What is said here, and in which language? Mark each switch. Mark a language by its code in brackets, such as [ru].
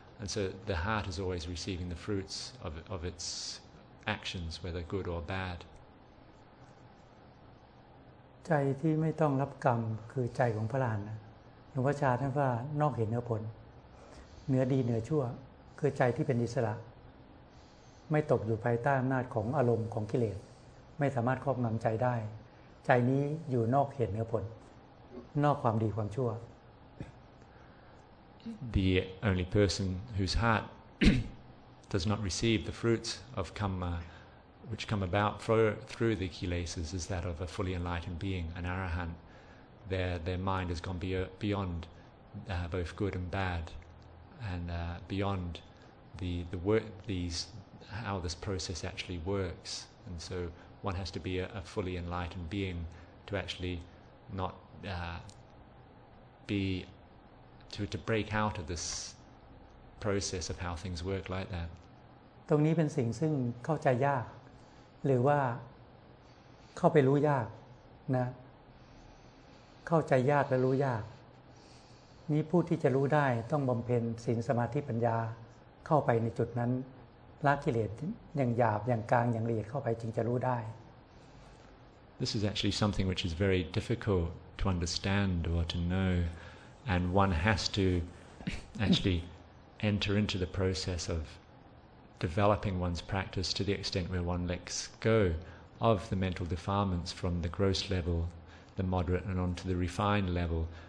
[en] And so the heart is always receiving the fruits of its actions, whether good or bad. [th] ใจที่ไม่ต้องรับกรรมคือใจของพระอรหันต์หลวงพ่อชาท่านว่านอกเห็นเนื้อผลเนื้อดีเนื้อชั่วคือใจที่เป็นอิสระไม่ตกอยู่ภายใต้อำนาจของอารมณ์ของกิเลสไม่สามารถครอบงำใจได้ใจนี้อยู่นอกเห็นเนื้อผลนอกความดีความชั่ว [en] The only person whose heart does not receive the fruits of karmaWhich come about through the kilesas is that of a fully enlightened being, an arahant. Their mind has gone beyond both good and bad, and beyond the work these how this process actually works. And so one has to be a fully enlightened being to actually not be to break out of this process of how things work like that. [th] ตรงนี้เป็นสิ่งซึ่งเข้าใจยากหรือว่าเข้าไปรู้ยากนะเข้าใจยากและรู้ยาก นี้ผู้ที่จะรู้ได้ต้องบำเพ็ญศีลสมาธิปัญญาเข้าไปในจุดนั้นละกิเลสอย่างหยาบอย่างกลางอย่างละเอียดเข้าไปจึงจะรู้ได้ [en] This is actually something which is very difficult to understand or to know, and one has to actually enter into the process of developing one's practice to the extent where one lets go of the mental defilements from the gross level, the moderate, and on to the refined level.